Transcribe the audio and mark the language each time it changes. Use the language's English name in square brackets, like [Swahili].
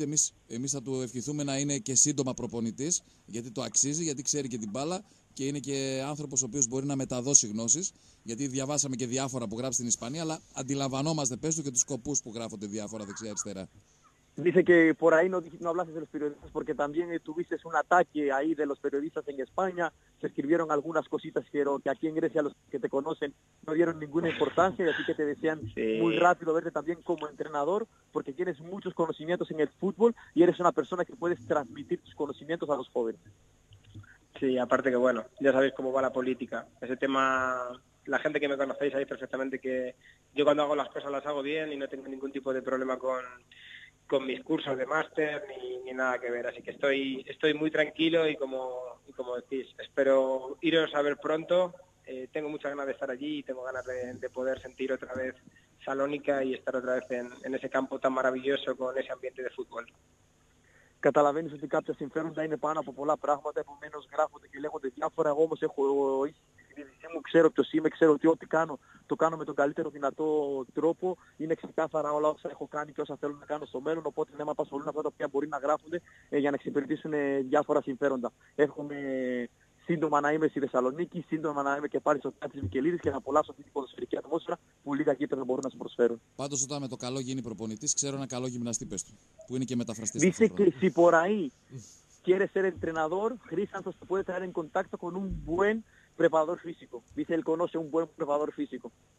[Greek] Εμείς θα του ευχηθούμε να είναι και σύντομα προπονητής, γιατί το αξίζει, γιατί ξέρει και την μπάλα. Και είναι και άνθρωπος ο οποίος μπορεί να μεταδώσει γνώσεις, γιατί διαβάσαμε και διάφορα που γράφει στην Ισπανία, αλλά αντιλαμβανόμαστε, πες του, και τους σκοπούς που γράφονται διάφορα δεξιά-αριστερά. [Spanish] Dice que por ahí no dijiste no hablaste de los periodistas porque también tuviste un ataque ahí de los periodistas en España, se escribieron algunas cositas, pero que aquí en Grecia los que te conocen no dieron ninguna importancia y así que te decían muy rápido verte también como entrenador porque tienes muchos conocimientos en el fútbol y eres una persona que puedes transmitir tus conocimientos a los jóvenes. Sí, aparte que bueno, ya sabéis cómo va la política. Ese tema, la gente que me conocéis sabéis perfectamente que yo cuando hago las cosas las hago bien y no tengo ningún tipo de problema con mis cursos de máster ni nada que ver. Así que estoy muy tranquilo y como decís, espero iros a ver pronto. Tengo muchas ganas de estar allí y tengo ganas de poder sentir otra vez Salónica y estar otra vez en ese campo tan maravilloso con ese ambiente de fútbol. [Greek] Καταλαβαίνεις ότι κάποια συμφέροντα είναι πάνω από πολλά πράγματα, επομένως γράφονται και λέγονται διάφορα. Εγώ όμως έχω ήδη μου, ξέρω ποιος είμαι, ξέρω ότι ό,τι κάνω το κάνω με τον καλύτερο δυνατό τρόπο. Είναι ξεκάθαρα όλα όσα έχω κάνει και όσα θέλω να κάνω στο μέλλον. Οπότε ναι, με απασχολούν αυτά τα οποία μπορεί να γράφονται για να εξυπηρετήσουν διάφορα συμφέροντα. Εύχομαι σύντομα να είμαι στη Θεσσαλονίκη, σύντομα να είμαι και πάλι στο Θεάτρο της Μικελίδης και να απολαύσω αυτή την ποδοσφαιρική ατμόσφαιρα που λίγα γήπεδα μπορούν να σου προσφέρουν. Πάντως, όταν με το καλό γίνει προπονητής, ξέρω ένα καλό γυμναστή, πες του, που είναι και μεταφραστής. [Spanish] Dice que si por ahí quieres ser entrenador, Χρήστανθος te puede traer en contacto con un buen preparador físico. Dice él conoce un buen preparador físico.